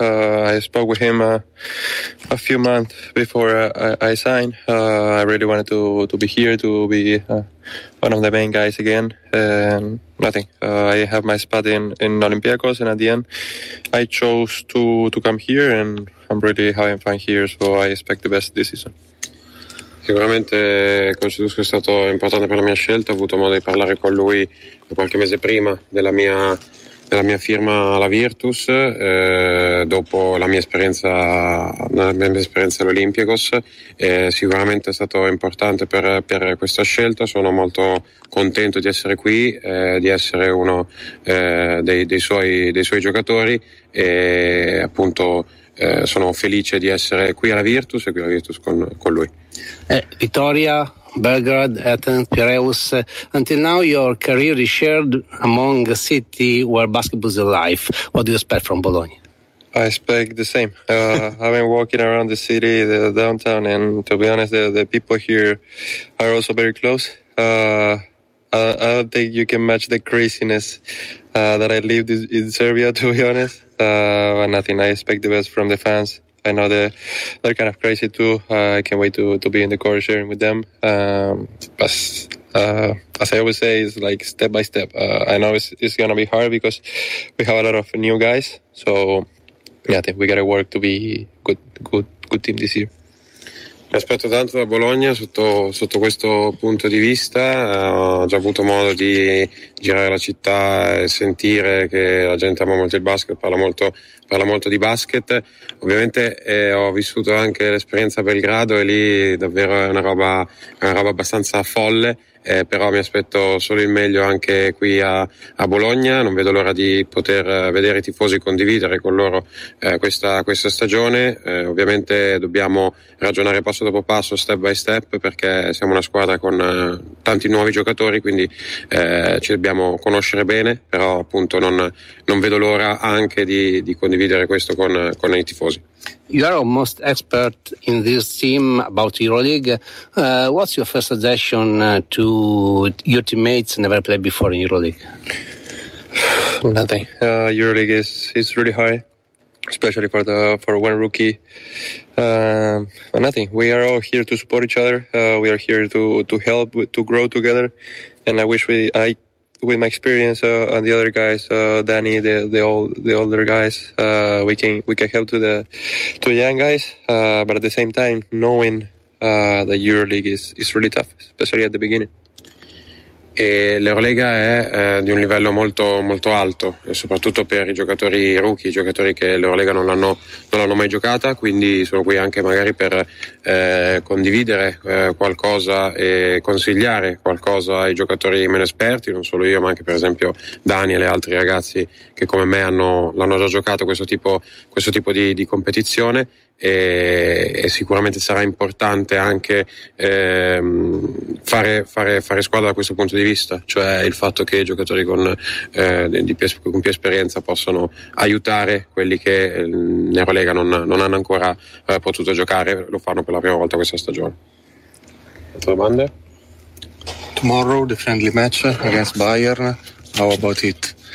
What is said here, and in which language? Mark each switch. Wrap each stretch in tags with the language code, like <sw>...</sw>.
<en>I spoke with him a few months before I signed. I really wanted to be here, to be one of the main guys again. And nothing. I have my spot in Olympiacos, and at the end, I chose to come here, and I'm really having fun here, so I expect the best this season.</en> <it>Sicuramente considero è stato importante per la mia scelta. Ho avuto modo di parlare con lui qualche mese prima della mia firma alla Virtus, dopo la mia esperienza all'Olympiacos. Sicuramente è stato importante per questa scelta. Sono molto contento di essere qui, di essere uno dei suoi giocatori, e appunto sono felice di essere qui alla Virtus e qui alla Virtus con lui.</it> <en>Vittoria, Belgrade, Athens, Piraeus. Until now, your career is shared among a city where basketball is alive. What do you expect from Bologna? I expect the same. I've been walking around the city, the downtown, and to be honest, the people here are also very close. I don't think you can match the craziness that I lived in Serbia, to be honest. But nothing. I expect the best from the fans. I know they're kind of crazy too. I can't wait to be in the court sharing with them. As I always say, it's like step by step. I know it's going to be hard because we have a lot of new guys. So yeah, I think we got to work to be good team this year.</en> <it>Mi aspetto tanto da Bologna sotto questo punto di vista. Ho già avuto modo di girare la città e sentire che la gente ama molto il basket, parla molto di basket. Ovviamente ho vissuto anche l'esperienza a Belgrado, e lì davvero è una roba abbastanza folle. Però mi aspetto solo il meglio anche qui a Bologna. Non vedo l'ora di poter vedere i tifosi condividere con loro questa stagione. Ovviamente dobbiamo ragionare passo dopo passo,</it> <en>step by step,</en> <it>perché siamo una squadra con tanti nuovi giocatori, quindi ci dobbiamo conoscere bene, però appunto non vedo l'ora anche di condividere questo con i tifosi.</it> <en>You are almost expert in this team about EuroLeague. What's your first suggestion to your teammates never played before in EuroLeague? Nothing. EuroLeague is really high, especially for one rookie. But nothing. We are all here to support each other. We are here to help, to grow together. And I wish I with my experience and the other guys, Danny, the older guys, we can help to the young guys, but at the same time knowing that EuroLeague is really tough, especially at the beginning.</en> <it>e l'Eurolega è di un livello molto, molto alto, e soprattutto per i giocatori rookie, i giocatori che l'Eurolega non l'hanno mai giocata, quindi sono qui anche magari per condividere qualcosa e consigliare qualcosa ai giocatori meno esperti, non solo io ma anche per esempio Daniel e altri ragazzi che come me l'hanno già giocato questo tipo di competizione. E sicuramente sarà importante anche fare squadra da questo punto di vista, cioè il fatto che i giocatori con più esperienza possano aiutare quelli che in Eurolega non hanno ancora potuto giocare, lo fanno per la prima volta questa stagione. Altre domande?</it> <en>Tomorrow the friendly match against Bayern, how about it?</en>